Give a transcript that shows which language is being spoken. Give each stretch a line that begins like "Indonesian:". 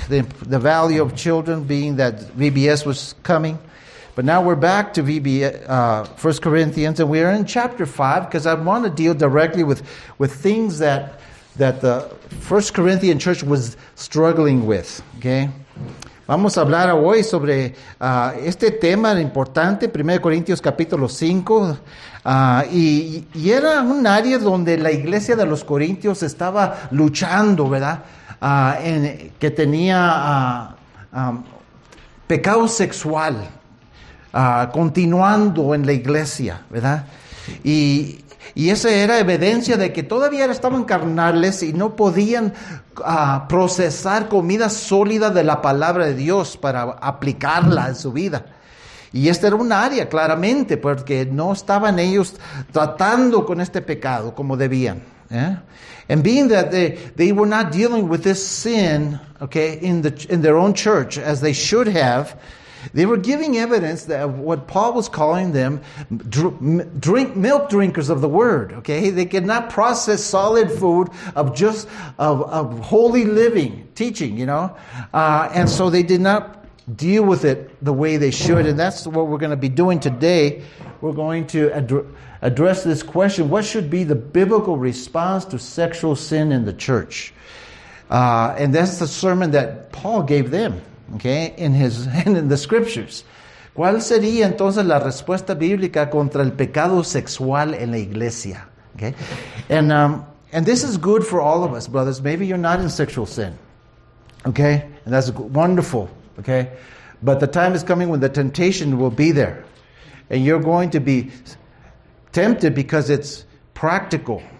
English: The value of children being that VBS was coming. But now we're back to 1 Corinthians, and we are in chapter 5 because I want to deal directly with things that the 1 Corinthian church was struggling with. Okay?
Spanish: Vamos a hablar hoy sobre este tema importante, 1 Corintios capítulo 5. Y era un área donde la iglesia de los Corintios estaba luchando, ¿verdad? Que tenía pecado sexual. Continuando en la iglesia, ¿verdad? Y esa era evidencia de que todavía estaban carnales y no podían procesar comida sólida de la palabra de Dios para aplicarla en su vida. Y esta era un área, claramente, porque no estaban ellos tratando con este pecado como debían.
English: Yeah? And being that they were not dealing with this sin, okay, in their own church as they should have, they were giving evidence that what Paul was calling them milk drinkers of the word, okay? They could not process solid food of holy living, teaching, you know? And so they did not deal with it the way they should. And that's what we're going to be doing today. We're going to address this question. What should be the biblical response to sexual sin in the church? And that's the sermon that Paul gave them. Okay, in the scriptures.
Spanish: ¿Cuál sería entonces la respuesta bíblica contra el pecado sexual en la iglesia?
English: Okay, and this is good for all of us, brothers. Maybe you're not in sexual sin. Okay, and that's wonderful. Okay, but the time is coming when the temptation will be there, and you're going to be tempted because it's practical.